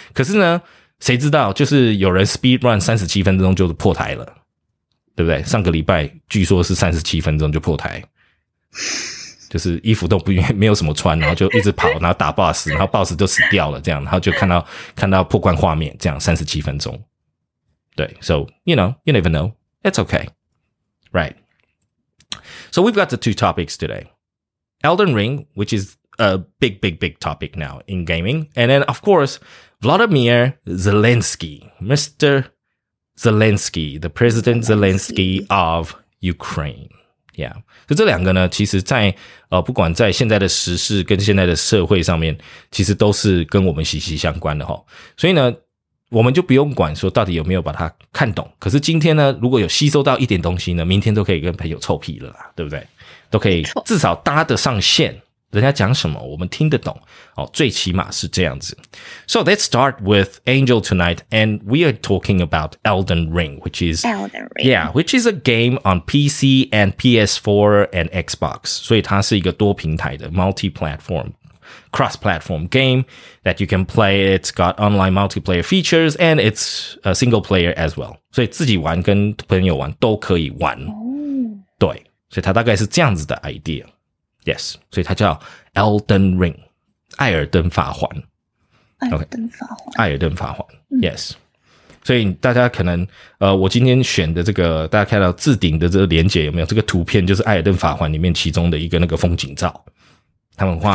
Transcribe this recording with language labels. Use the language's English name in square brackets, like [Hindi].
[Chinese] 可是呢谁知道就是有人 speed run 37分钟就破台了。对不对上个礼拜据说是37分钟就破台。就是衣服都不愿意没有什么穿然后就一直跑然后打 boss, 然后 boss 就死掉了这样然后就看到破关画面这样37分钟。对 [English] ,so, you know, you never know, it's okay. Right. So we've got the two topics today. Elden Ring, which is a big, big, big topic now in gaming. And then, of course,Vladimir Zelensky, Mr. Zelensky, the President Zelensky of Ukraine. Yeah. [Chinese] 就这两个呢其实在不管在现在的时事跟现在的社会上面其实都是跟我们息息相关的齁。所以呢我们就不用管说到底有没有把它看懂。可是今天呢如果有吸收到一点东西呢明天都可以跟朋友臭屁了啦对不对都可以至少搭得上线。人家讲什么我们听得懂、哦、最起码是这样子。 [English] So let's start with Angel tonight, and we are talking about Elden Ring, which is, yeah, which is a game on PC and PS4 and Xbox. [Chinese] 所以它是一个多平台的 [English] multi-platform, cross-platform game that you can play. It's got online multiplayer features and it's a single player as well. [Chinese] 所以自己玩跟朋友玩都可以玩。 Oh. 对。所以它大概是这样子的 idea. Yes, 所以它叫 Elden Ring, 艾尔登法环。艾尔登法环。艾尔登法环、嗯、yes. 所以大家可能我今天选的这个大家看到置顶的这个连结有没有，这个图片就是艾尔登法环里面其中的一个那个风景照，他们画